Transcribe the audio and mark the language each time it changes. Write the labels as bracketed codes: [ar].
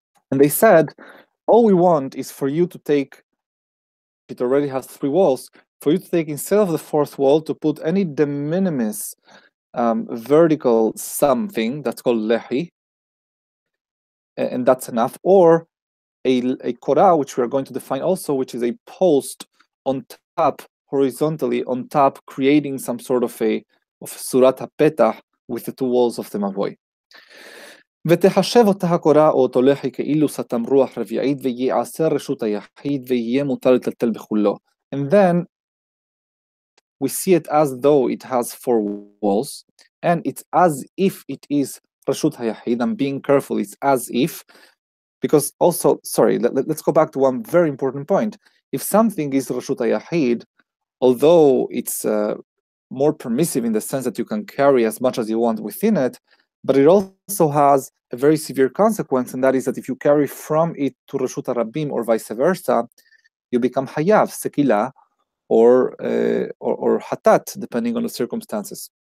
[en] And they said, all we want is for you to take, it already has three walls, for you to take, instead of the fourth wall, to put any de minimis vertical something that's called lehi, and that's enough, or a korah, which we are going to define also, which is a post on top, horizontally on top, creating some sort of a surat ha-petah with the two walls of the mavoi. [he] ותחשב אותה הקורה או אותו לחי כאילו סתם רוח רביעית ויעשה רשות היחיד ויהיה מותר לטלטל בכולו. [en] And then we see it as though it has four walls, and it's as if it is רשות היחיד. I'm being careful, it's as if, because also, sorry, let's go back to one very important point. If something is רשות היחיד, although it's more permissive in the sense that you can carry as much as you want within it, but it also has a very severe consequence, and that is that if you carry from it to Rashut Arabim or vice versa, you become Hayav, Sekila, or Hatat, depending on the circumstances.